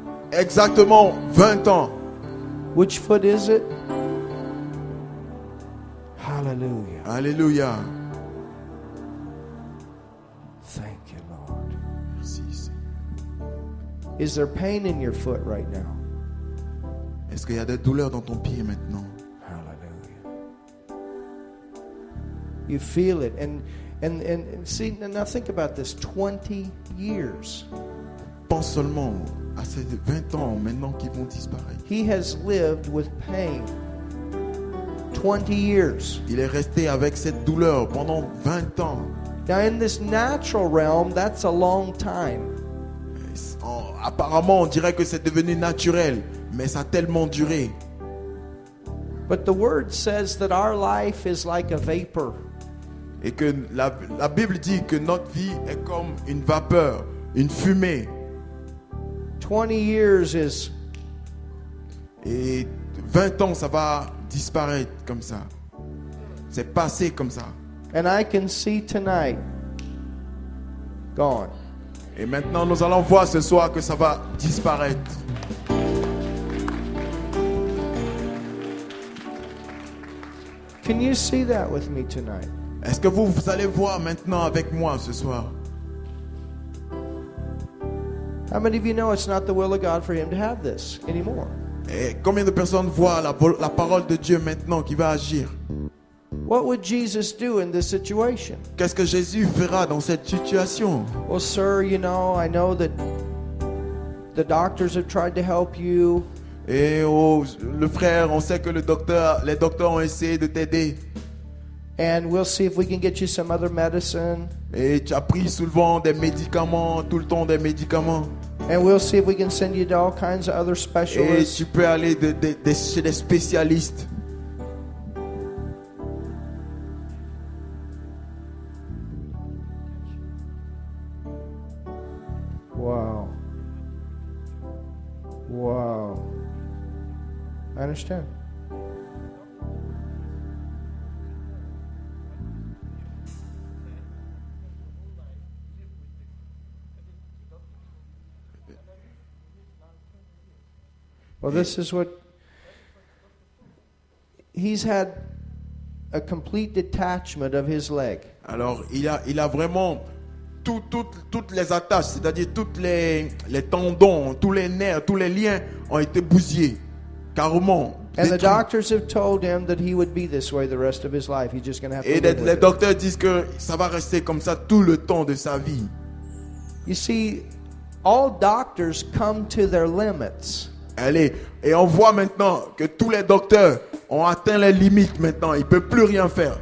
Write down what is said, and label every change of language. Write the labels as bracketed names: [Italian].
[French] Exactement 20 ans. [English] Which foot is it? Hallelujah. Hallelujah. Thank you, Lord. Merci. Is there pain in your foot right now? [French] Est-ce qu'il y a des douleurs dans ton pied maintenant? [English] Hallelujah. You feel it. And see, now think about this. 20 years. [French] Pense seulement à ces 20 ans maintenant qui vont disparaître. [English] He has lived with pain 20 years. [French] Il est resté avec cette douleur pendant 20 ans. [English] Now in this natural realm, that's a long time. [French] Apparemment, on dirait que c'est devenu naturel, mais ça a tellement duré. [English] But the word says that our life is like a vapor. [French] Et que la Bible dit que notre vie est comme une vapeur, une fumée. [English] 20 years is. [French] Et 20 ans, ça va disparaître comme ça. C'est passé comme ça. [English] And I can see tonight. Gone. [French] Et maintenant, nous allons voir ce soir que ça va disparaître. [English] Can you see that with me tonight? [French] Est-ce que vous allez voir maintenant avec moi ce soir? [English] How many of you know it's not the will of God for him to have this anymore? [French] Et combien de personnes voient la parole de Dieu maintenant qui va agir? [English] What would Jesus do in this situation? [French] Qu'est-ce que Jésus fera dans cette situation? [English] Well, sir, you know, I know that the doctors have tried to help you. [French] Et oh, le frère, on sait que les docteurs ont essayé de t'aider. [English] And we'll see if we can get you some other medicine. [French] Et tu as pris souvent des médicaments, tout le temps des médicaments. [English] And we'll see if we can send you to all kinds of other specialists. [French] Et tu peux aller chez des spécialistes. [English] Wow. Wow. I understand. Well, this is what he's had a complete detachment of his leg. [French] Alors, il a vraiment toutes les attaches, c'est-à-dire toutes les tendons, tous les nerfs, tous les liens ont été bousillés, carrément. [English] And the doctors have told him that he would be this way the rest of his life. He's just going to have to live with it. [French] Et les docteurs disent que ça va rester comme ça tout le temps de sa vie. [English] You see, all doctors come to their limits. [French] Allez, et on voit maintenant que tous les docteurs ont atteint les limites maintenant. Ils ne peuvent plus rien faire.